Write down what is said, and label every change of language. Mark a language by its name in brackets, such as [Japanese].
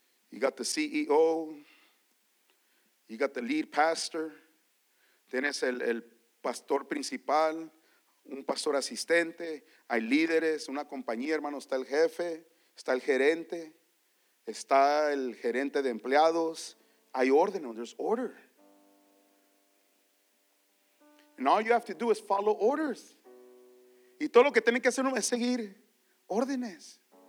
[English] You got the CEO. You got the lead pastor. [Spanish] Tienes el pastor principal, un pastor asistente. Hay líderes, una compañía, hermanos. Está el jefe, está el gerente, está el gerente de empleados. Hay orden, [English] there's order. And all you have to do is follow orders. [Spanish] Y todo lo que tienen que hacer es seguir órdenes.